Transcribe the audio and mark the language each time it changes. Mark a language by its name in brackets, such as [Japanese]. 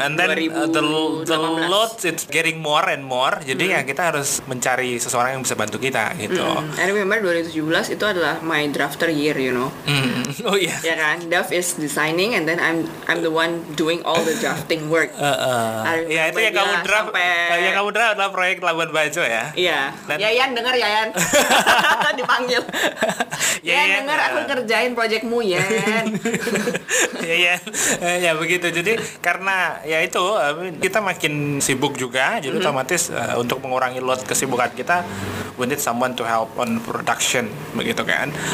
[English] And then the load it's getting more and more. [Indonesian] Jadi ya kita harus mencari seseorang yang bisa bantu kita gitu. [English] I remember 2017 [Indonesian] itu adalah [English] my drafter year, you know. Oh yeah. [Indonesian] Ya kan, [English] Dev is designing and then I'm the one doing all the drafting work. [Indonesian] Ya itu yang kamu draft. Sampai... Yang kamu draft adalah proyek Labuan Bajo ya. Iya. Yayan dengar Yayan. Dipanggil. Yayan dengar aku kerjain proyekmu Yayan. Yayan. Ya begitu. Jadi karena ya itu kita makin sibuk juga, jadi otomatis untuk mengurangi load kesibukan kita, [English] we need someone to help on production, [Indonesian] begitu kan.